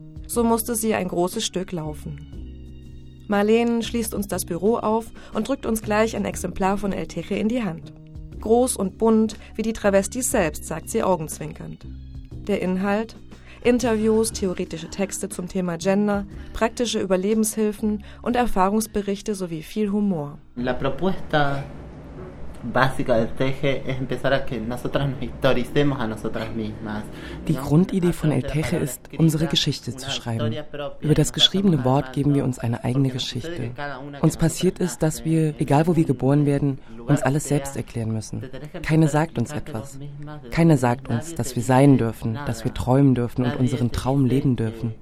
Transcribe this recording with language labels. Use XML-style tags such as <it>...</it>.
<de>So musste sie ein großes Stück laufen. Marlene schließt uns das Büro auf und drückt uns gleich ein Exemplar von El Teje in die Hand. Groß und bunt, wie die Travestis selbst, sagt sie augenzwinkernd. Der Inhalt? Interviews, theoretische Texte zum Thema Gender, praktische Überlebenshilfen und Erfahrungsberichte sowie viel Humor.</de> <es>La propuesta básica del Teje es empezar a que nosotras nos historicemos a nosotras mismas.</es> <de>Die Grundidee von El Teje ist, unsere Geschichte zu schreiben. Über das geschriebene Wort geben wir uns eine eigene Geschichte. Uns passiert ist, dass wir, egal wo wir geboren werden, uns alles selbst erklären müssen. Keiner sagt uns etwas. Keiner sagt uns, dass wir sein dürfen, dass wir träumen dürfen und unseren Traum leben dürfen.</de>